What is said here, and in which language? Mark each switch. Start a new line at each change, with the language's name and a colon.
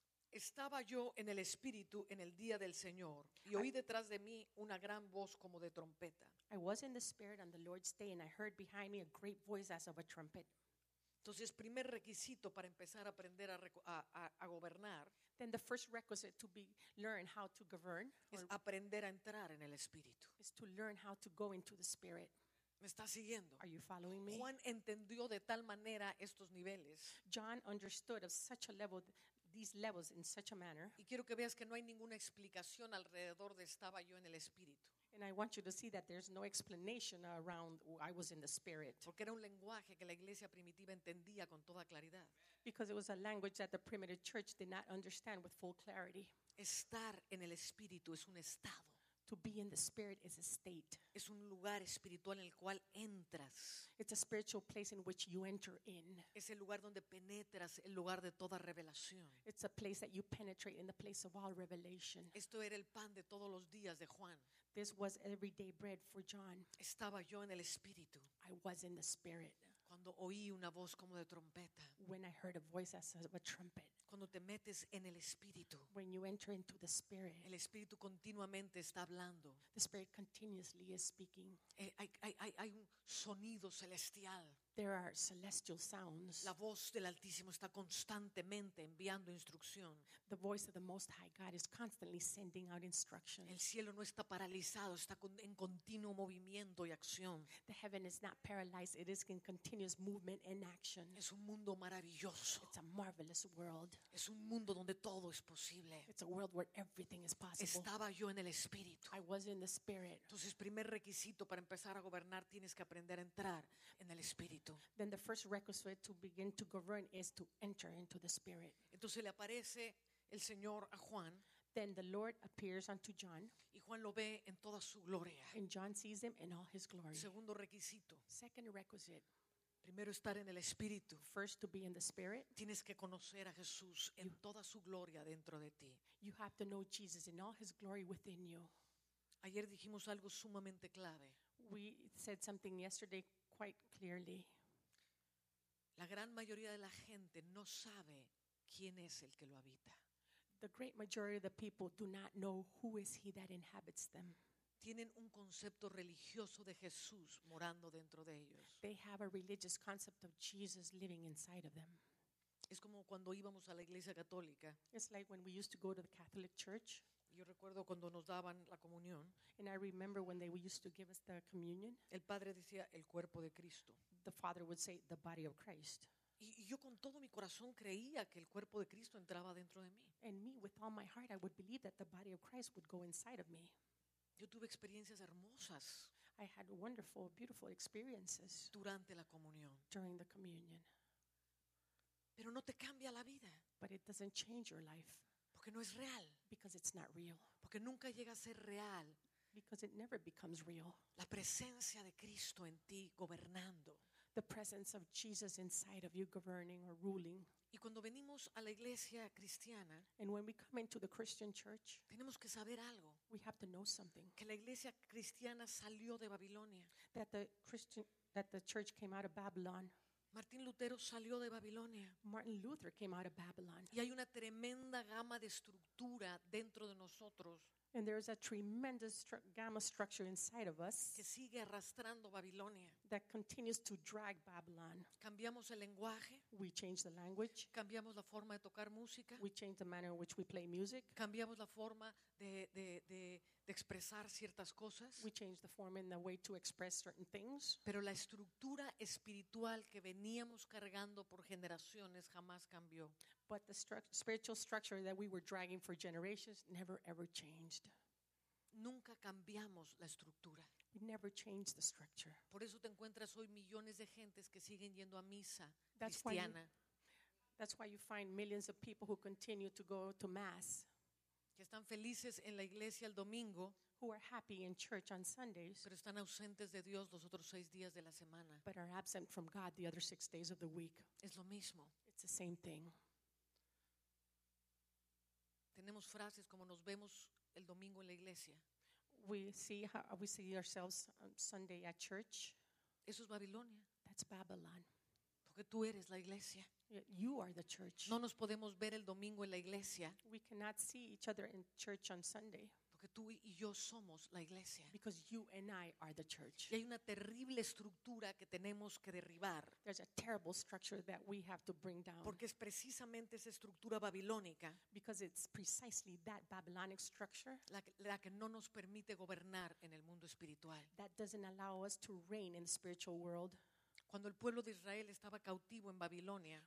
Spanish: Estaba yo en el Espíritu en el día del Señor y oí detrás de mí una gran voz como de trompeta.
English: I was in the Spirit on the Lord's day and I heard behind me a great voice as of a trumpet.
Spanish: Entonces, primer requisito para empezar a aprender a gobernar.
English: Then the first requisite to be learn how to govern.
Spanish: Es aprender a entrar en el Espíritu.
English: Is to learn how to go into the Spirit.
Spanish: ¿Me está siguiendo?
English: Are you following me?
Spanish: Juan entendió de tal manera estos niveles.
English: John understood of such a level, these levels in such a manner.
Spanish: Y quiero que veas que no hay ninguna explicación alrededor de estaba yo en el Espíritu.
English: And I want you to see that there's no explanation around I was in the Spirit.
Spanish: Porque era un lenguaje que la iglesia primitiva entendía con toda claridad.
English: Because it was a language that the primitive church did not understand with full clarity.
Spanish: Estar en el Espíritu es un estado.
English: To be in the Spirit is a state.
Spanish: Es un lugar espiritual en el cual entras.
English: It's a spiritual place in which you enter in.
Spanish: Es el lugar donde penetras el lugar de toda revelación.
English: It's a place that you penetrate in the place of all revelation.
Spanish: Esto era el pan de todos los días de Juan.
English: This was everyday bread for John.
Spanish: Estaba yo en el Espíritu.
English: I was in the Spirit.
Spanish: Cuando oí una voz como de trompeta.
English: When I heard a voice as of a trumpet.
Spanish: Cuando te metes en el Espíritu.
English: When you enter into the Spirit.
Spanish: El Espíritu continuamente está hablando.
English: The Spirit continuously is speaking.
Spanish: Hay un sonido celestial.
English: There are celestial sounds.
Spanish: La voz del Altísimo está constantemente enviando instrucción.
English: The voice of the Most High God is constantly sending out instructions.
Spanish: El cielo no está paralizado, está en continuo movimiento y acción.
English: The heaven is not paralyzed, it is in continuous movement and action.
Spanish: Es un mundo maravilloso.
English: It's a marvelous world.
Spanish: Es un mundo donde todo es posible.
English: It's a world where everything is possible.
Spanish: Estaba yo en el Espíritu.
English: I was in the Spirit.
Spanish: Entonces, primer requisito para empezar a gobernar, tienes que aprender a entrar en el Espíritu.
English: Then the first requisite to begin to govern is to enter into the Spirit.
Spanish: Entonces le aparece el Señor a Juan.
English: Then the Lord appears unto John.
Spanish: Y Juan lo ve en toda su gloria.
English: And John sees him in all his glory.
Spanish: Segundo requisito.
English: Second requisite.
Spanish: Primero estar en el Espíritu.
English: First to be in the Spirit.
Spanish: Tienes que conocer a Jesús en toda su gloria dentro de ti.
English: You have to know Jesus in all his glory within you.
Spanish: Ayer dijimos algo sumamente clave.
English: We said something yesterday. Quite clearly,
Spanish: la gran mayoría de la gente no sabe quién es el que lo habita.
English: The great majority of the people do not know who is he that inhabits them.
Spanish: Tienen un concepto religioso de Jesús morando dentro de ellos.
English: They have a religious concept of Jesus living inside of them.
Spanish: Es como cuando íbamos a la iglesia católica.
English: It's like when we used to go to the Catholic Church.
Spanish: Yo recuerdo cuando nos daban la comunión.
English: And I remember when they used to give us the communion.
Spanish: El padre decía el cuerpo de Cristo.
English: The father would say the body of Christ.
Spanish: Y yo con todo mi corazón creía que el cuerpo de Cristo entraba dentro de mí.
English: And me, with all my heart, I would believe that the body of Christ would go inside of me.
Spanish: Yo tuve experiencias hermosas.
English: I had wonderful, beautiful experiences.
Spanish: Durante la comunión.
English: During the communion.
Spanish: Pero no te cambia la vida.
English: But it doesn't change your life.
Spanish: Porque no es real.
English: Because it's not real.
Spanish: Porque nunca llega a ser real.
English: Because it never becomes real.
Spanish: La presencia de Cristo en ti gobernando.
English: The presence of Jesus inside of you governing or ruling.
Spanish: Y cuando venimos a la iglesia cristiana,
English: and when we come into the Christian church,
Spanish: tenemos que saber algo.
English: We have to know something.
Spanish: Que la iglesia cristiana salió de Babilonia.
English: That the church came out of Babylon.
Spanish: Martín Lutero salió de Babilonia.
English: Martin Luther came out of Babylon.
Spanish: Y hay una tremenda gama de estructura dentro de nosotros.
English: And there is a tremendous gamma structure inside of us
Spanish: que sigue arrastrando Babilonia.
English: That continues to drag Babylon.
Spanish: Cambiamos el lenguaje.
English: We change the language.
Spanish: Cambiamos la forma de tocar música.
English: We change the manner in which we play music.
Spanish: Cambiamos la forma de expresar ciertas cosas.
English: We change the form and the way to express certain things.
Spanish: Pero la estructura espiritual que veníamos cargando por generaciones jamás cambió.
English: But the spiritual structure that we were dragging for generations never ever changed.
Spanish: Nunca cambiamos la estructura.
English: We never changed the structure.
Spanish: Por eso te encuentras hoy millones de gentes que siguen yendo a misa cristiana.
English: That's why you find millions of people who continue to go to mass.
Spanish: Que están felices en la iglesia el domingo.
English: Who are happy in church on Sundays.
Spanish: Pero están ausentes de Dios los otros seis días de la semana.
English: But are absent from God the other six days of the week.
Spanish: Es lo mismo.
English: It's the same thing.
Spanish: Tenemos frases como nos vemos el domingo en la iglesia.
English: We see ourselves on Sunday at church.
Spanish: Eso es Babilonia.
English: That's Babylon.
Spanish: Porque tú eres la iglesia.
English: You are the church.
Spanish: No nos podemos ver el domingo en la iglesia.
English: We cannot see each other in church on Sunday.
Spanish: Porque tú y yo somos la iglesia.
English: Because you and I are the church.
Spanish: Y hay una terrible estructura que tenemos que derribar.
English: There's a terrible structure that we have to bring down.
Spanish: Porque es precisamente esa estructura babilónica.
English: Because it's precisely that Babylonic structure.
Spanish: La que no nos permite gobernar en el mundo espiritual.
English: That doesn't allow us to reign in the spiritual world.
Spanish: Cuando el pueblo de Israel estaba cautivo en Babilonia,